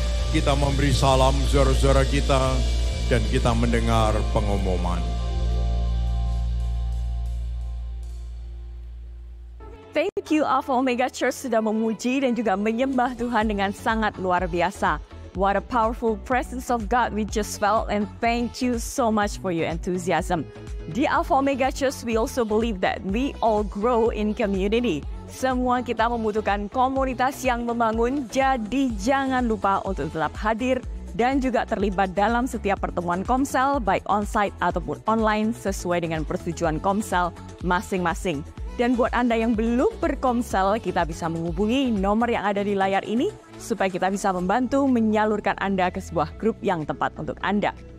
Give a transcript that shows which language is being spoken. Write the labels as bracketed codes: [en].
[id] Kita memberi salam saudara-saudara kita dan kita mendengar pengumuman. [en] Thank you [id] Alpha Omega Church sudah memuji dan juga menyembah Tuhan dengan sangat luar biasa. [en] What a powerful presence of God we just felt, and thank you so much for your enthusiasm. Di Alpha Omega Church, we also believe that we all grow in community. [id] Semua kita membutuhkan komunitas yang membangun, jadi jangan lupa untuk tetap hadir dan juga terlibat dalam setiap pertemuan Komsel, baik on-site ataupun online, sesuai dengan persetujuan Komsel masing-masing. Dan buat Anda yang belum berkomsel, kita bisa menghubungi nomor yang ada di layar ini supaya kita bisa membantu menyalurkan Anda ke sebuah grup yang tepat untuk Anda.